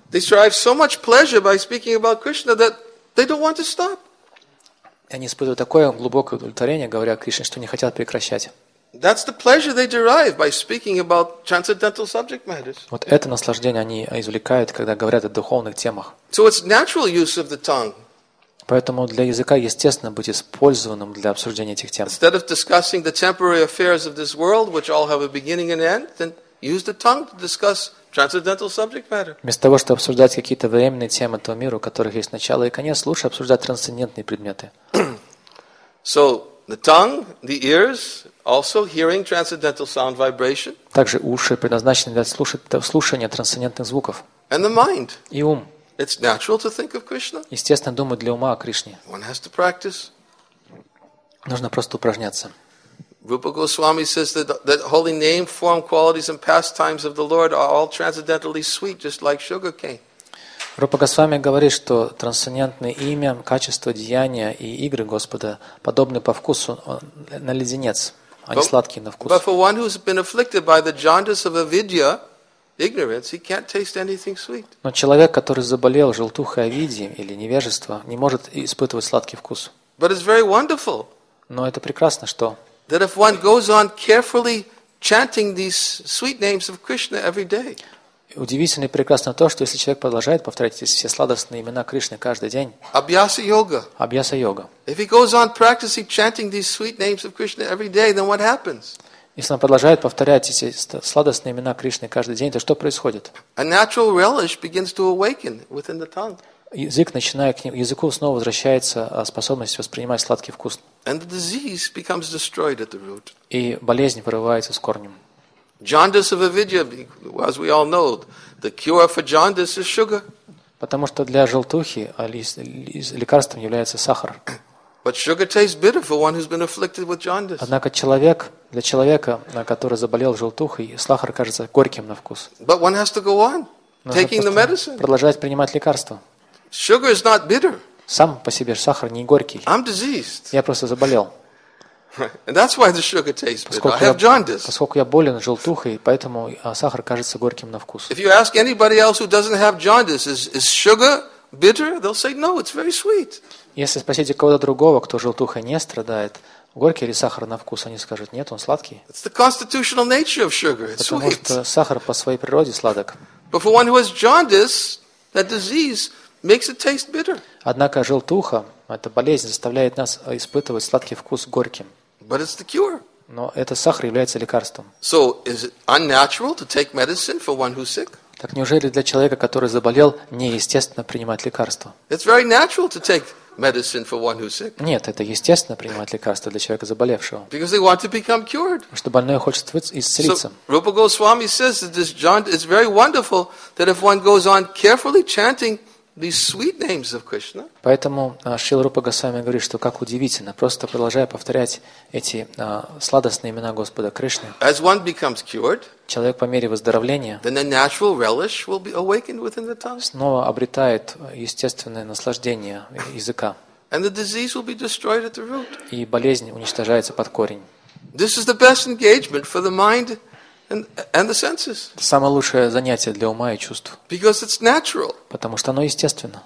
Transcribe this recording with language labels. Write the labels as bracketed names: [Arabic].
[English] They derive so much pleasure by speaking about Krishna that they don't want to stop. [Russian] И они испытывают такое глубокое удовлетворение, говоря о Кришне, что не хотят прекращать. [English] That's the pleasure they derive by speaking about transcendental subject matters. [Russian] Вот это наслаждение они извлекают, когда говорят о духовных темах. [English] So it's natural use of the tongue. [Russian] Поэтому для языка естественно быть использованным для обсуждения этих тем. [English] Instead of discussing the temporary affairs of this world, which all have a beginning and end, then use the tongue to discuss transcendental subject matter. [Russian] Вместо того, чтобы обсуждать какие-то временные темы этого мира, у которых есть начало и конец, лучше обсуждать трансцендентные предметы. [English] So the tongue, the ears, also hearing transcendental sound vibration. [Russian] Также уши предназначены для слушания трансцендентных звуков. [English] And the mind. [Russian] И ум. [English] It's natural to think of Krishna. [Russian] Естественно думать для ума о Кришне. [English] One has to practice. [Russian] Нужно просто упражняться. [English] Rupa Goswami says that holy name, form, qualities, and pastimes of the Lord are all transcendentally sweet, just like sugar cane. [Russian] Rupa Goswami говорит, что трансцендентное имя, качество, деяния и игры Господа подобны по вкусу на леденец, а не сладкие на вкус. [English] But for one who's been afflicted by the jaundice of avidya, ignorance, he can't taste anything sweet. [Russian] Но человек, который заболел желтухой авидьи или невежество, не может испытывать сладкий вкус. [English] But it's very wonderful. [Russian] Но это прекрасно, что [English] that if one goes on carefully chanting these sweet names of Krishna every day. [Russian] Удивительно и прекрасно то, что если человек продолжает повторять эти все сладостные имена Кришны каждый день. [Sanskrit] Abhyasa yoga. Abhyasa yoga. [English] If he goes on practicing chanting these sweet names of Krishna every day, then what happens? [Russian] Если он продолжает повторять эти сладостные имена Кришны каждый день, то что происходит? [English] A natural relish begins to awaken within the tongue. [Russian] Язык, начиная к нему, языку снова возвращается способность воспринимать сладкий вкус. [English] And the disease becomes destroyed at the root. [Russian] И болезнь вырывается с корнем. [English] Jaundice of avidya, as we all know, the cure for jaundice is sugar. [Russian] Потому что для желтухи лекарством является сахар. [English] But sugar tastes bitter for one who's been afflicted with jaundice. [Russian] Однако человек, для человека, который заболел желтухой, сахар кажется горьким на вкус. [English] But one has to go on, taking the medicine. [Russian] Продолжать принимать лекарства. [English] Sugar is not bitter. [Russian] Сам по себе сахар не горький. [English] I'm diseased. [Russian] Я просто заболел. [English] And that's why the sugar tastes bitter. I have jaundice. [Russian] Поскольку я болен желтухой, поэтому сахар кажется горьким на вкус. [English] If you ask anybody else who doesn't have jaundice, is sugar bitter? They'll say no, it's very sweet. [Russian] Если спросите кого-то другого, кто желтухой не страдает, горький или сахар на вкус, они скажут, нет, он сладкий. [English] It's the constitutional nature of sugar. It's sweet. [Russian] Потому что сахар по своей природе сладок. [English] But for one who has jaundice, that disease makes it taste bitter. [Russian] Однако желтуха, эта болезнь, заставляет нас испытывать сладкий вкус горьким. [English] But it's the cure. [Russian] Но этот сахар является лекарством. [English] So is it unnatural to take medicine for one who's sick? [Russian] Так неужели для человека, который заболел, неестественно принимать лекарства? [English] It's very natural to take medicine for one who's sick. [Russian] Нет, это естественно принимать лекарства для человека заболевшего. [English] Because they want to become cured. [Russian] Потому что больной хочет исцелиться. [English] So Rupa Goswami says that this jaundice is very wonderful that if one goes on carefully chanting these sweet names of Krishna. [Russian] Поэтому Шрила Рупа Госвами говорит, что как удивительно, просто продолжая повторять эти сладостные имена Господа Кришны. [English] As one becomes cured, [Russian] человек по мере выздоровления, [English] then a natural relish will be awakened within the tongue. [Russian] Снова обретает естественное наслаждение языка. [English] And the disease will be destroyed at the root. [Russian] И болезнь уничтожается под корень. [English] This is the best engagement for the mind and the senses. [Russian] Самое лучшее занятие для ума и чувств. [English] Because it's natural. [Russian] Потому что оно естественно.